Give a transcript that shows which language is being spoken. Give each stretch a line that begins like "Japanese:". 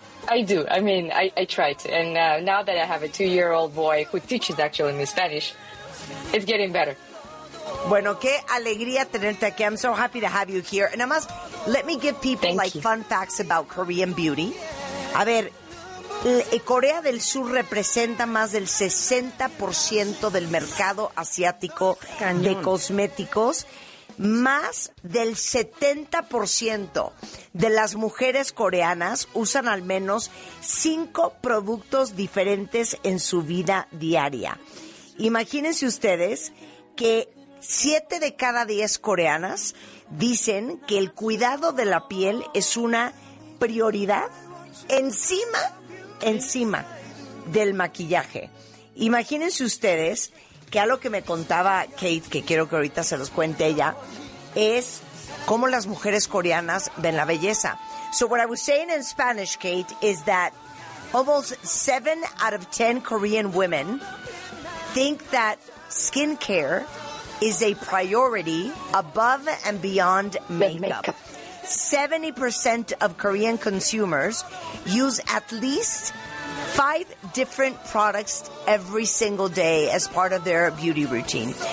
English: I do. I mean, I try to. And now that I have a 2-year-old boy who teaches actually me Spanish, it's getting better.
Spanish: Bueno, qué alegría tenerte aquí.
English: I'm so happy to have you here. And I must, let me give people fun facts about Korean beauty.
Spanish: A ver, Corea del Sur representa más del 60% del mercado asiático de cosméticos. Más del 70% de las mujeres coreanas usan al menos 5 productos diferentes en su vida diaria. Imagínense ustedes que 7 de cada 10 coreanas dicen que el cuidado de la piel es una prioridad encima del maquillaje. Imagínense ustedes que algo que me contaba Kate, que quiero que ahorita se los cuente ella, es cómo las mujeres coreanas ven la belleza.
English: So what I was saying in Spanish, Kate, is that almost 7 out of 10 Korean women think that skincare is a priority above and beyond makeup. 70% of Korean consumers use at least 5 different products every single day as part of their beauty routine.